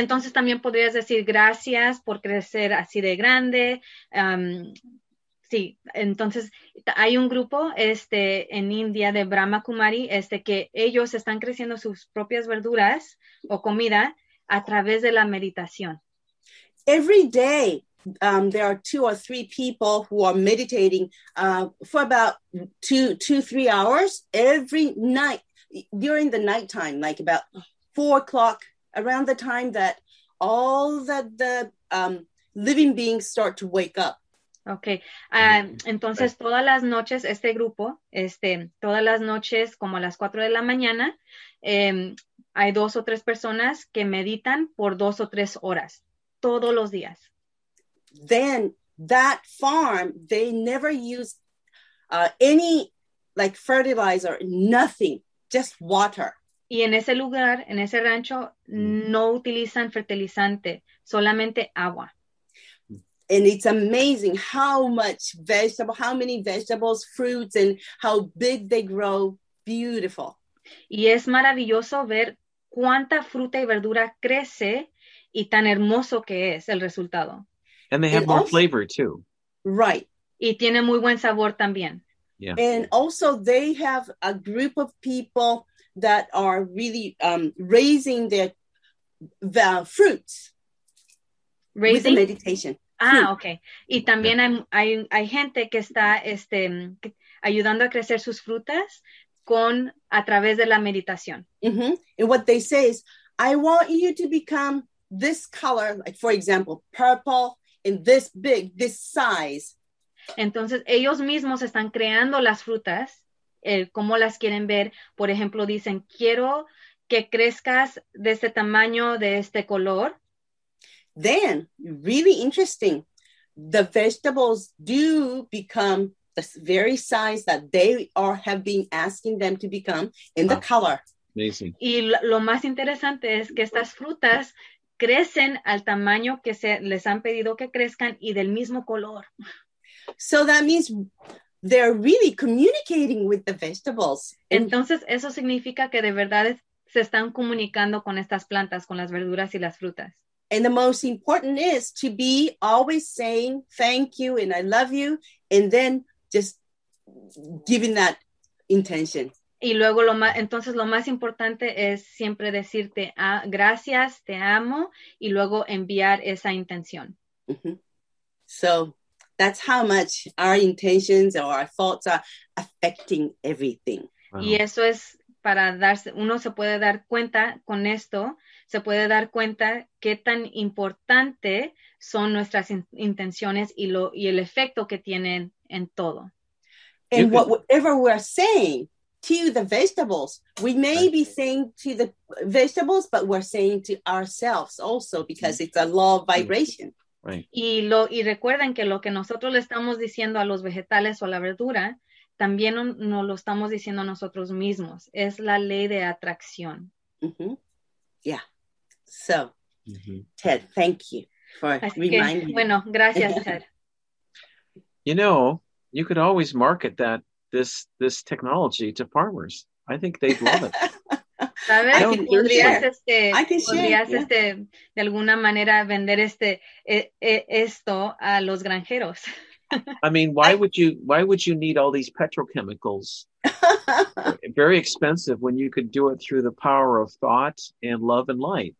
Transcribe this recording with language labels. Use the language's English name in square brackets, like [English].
[Spanish] Entonces también podrías decir gracias por crecer así de grande. Sí, entonces hay un grupo este, en India de Brahma Kumari este, que ellos están creciendo sus propias verduras o comida a través de la meditación. [English] Every day there are two or three people who are meditating for about two, three hours every night during the nighttime, like about 4 o'clock, around the time that all the living beings start to wake up. Okay. [Spanish] Entonces, todas las noches, este grupo, este, todas las noches, como a las 4 de la mañana, hay dos o tres personas que meditan por 2 o 3 horas, todos los días. [English] Then that farm, they never use any like fertilizer, nothing, just water. [Spanish] Y en ese lugar, en ese rancho, no utilizan fertilizante, solamente agua. [English] And it's amazing how much vegetable, how many vegetables, fruits, and how big they grow. Beautiful. [Spanish] Y es maravilloso ver cuánta fruta y verdura crece y tan hermoso que es el resultado. [English] And they have more flavor too. Right. [Spanish] Y tiene muy buen sabor también. [English] Yeah. And also they have a group of people that are really raising the fruits. Raising? With the meditation. Ah, okay. [Spanish] Y también hay gente que está este, ayudando a crecer sus frutas con, a través de la meditación. Mm-hmm. [English] And what they say is, I want you to become this color, like for example, purple, and this big, this size. [Spanish] Entonces, ellos mismos están creando las frutas, como las quieren ver. Por ejemplo, dicen, quiero que crezcas de este tamaño, de este color. [English] Then, really interesting, the vegetables do become the very size that they are have been asking them to become in the color. Amazing. [Spanish] Y lo más interesante es que estas frutas crecen al tamaño que se les han pedido que crezcan y del mismo color. [English] So that means they're really communicating with the vegetables. [Spanish] Entonces, eso significa que de verdad se están comunicando con estas plantas, con las verduras y las frutas. [English] And the most important is to be always saying thank you and I love you and then just giving that intention. [Spanish] Y luego lo más, entonces lo más importante es siempre decirte gracias, te amo y luego enviar esa intención. Mm-hmm. [English] So that's how much our intentions or our thoughts are affecting everything. Wow. [Spanish] Y eso es para darse, uno se puede dar cuenta con esto, se puede dar cuenta qué tan importante son nuestras intenciones y lo y el efecto que tienen en todo. [English] And whatever we're saying to the vegetables, we may be saying to the vegetables, but we're saying to ourselves also because it's a law of vibration. Right. [Spanish] Y recuerden que lo que nosotros le estamos diciendo a los vegetales o a la verdura, también no lo estamos diciendo a nosotros mismos. Es la ley de atracción. Mm-hmm. Yeah. So, mm-hmm. [English] Ted, thank you for [Spanish] Así [English] reminding [Spanish] que, bueno, gracias, Ted. [English] You know, you could always market that this technology to farmers. I think they'd love it. [Spanish] ¿Sabes? [English] I can [Spanish] podrías, [English] share. [Spanish] Este, [English] I can share. [Spanish] Podrías [English] yeah. [Spanish] este, de alguna manera vender este esto a los granjeros. [English] I mean, why would you need all these petrochemicals? Very expensive when you could do it through the power of thought and love and light.